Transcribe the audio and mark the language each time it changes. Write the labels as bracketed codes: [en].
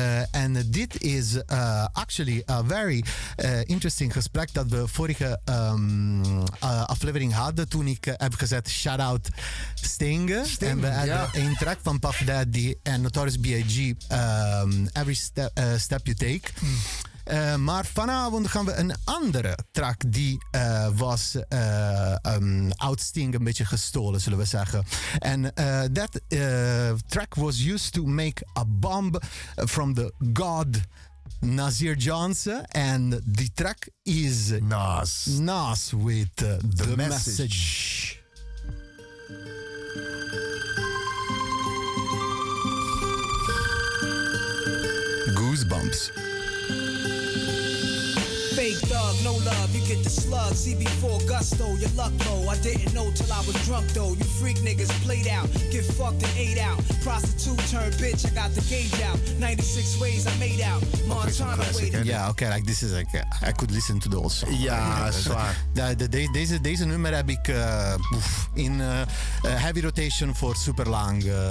[nl] En dit is [en] actually a very interesting [nl] gesprek dat we vorige aflevering hadden toen ik heb gezet shout out Sting. En we hadden een track van Puff Daddy en Notorious B.I.G. Every Step You Take. Mm. Maar vanavond gaan we een andere track die was oud Sting een beetje gestolen, zullen we zeggen. [en] En that track was used to make a bomb from the God Nasir Johnson, and the track is Nas. Nas with the message. Goosebumps. Fake thug, no love, you get the slug. CB4 gusto, your luck low. I didn't know till I was drunk though. You freak niggas played out, get fucked and ate out. Prostitute turned bitch, I got the gauge out. 96 ways I made out. Montana okay, waited. Yeah, okay, like this is like I could listen to those. Songs. Yeah, zwaar. [nl] Deze nummer heb ik [en] in heavy rotation for [nl] super lang.